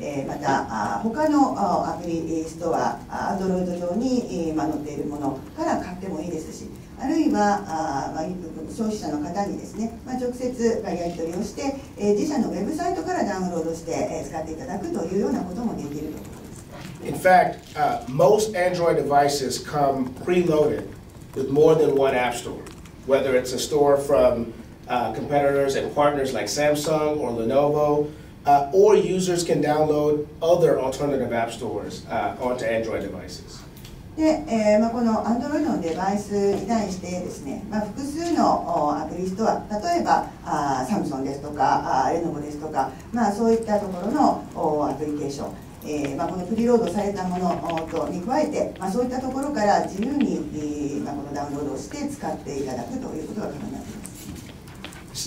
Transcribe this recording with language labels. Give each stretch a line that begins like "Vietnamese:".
Japanese: また他のアプリストア Android 上に、まあ、載っているものから買ってもいいですし、あるいは、まあ、消費者の方にですね、まあ、直接やり取りをして、自社のウェブサイトからダウンロードして、使っていただくというようなこともできるということです。
English: In fact, most Android devices come preloaded with more than one app store, whether it's a store from competitors and partners like Samsung or Lenovo, or users can download other alternative app stores onto Android devices.
Japanese: でまあ、この Android のデバイスに対してですね、まあ、複数のアプリストア、例えば Samsung ですとか Lenovo ですとか、まあ、そういったところのアプリケーション、まあ、このプリロードされたものとに加えて、まあ、そういったところから自由に、まあ、このダウンロードをして使っていただくということが可能になっています。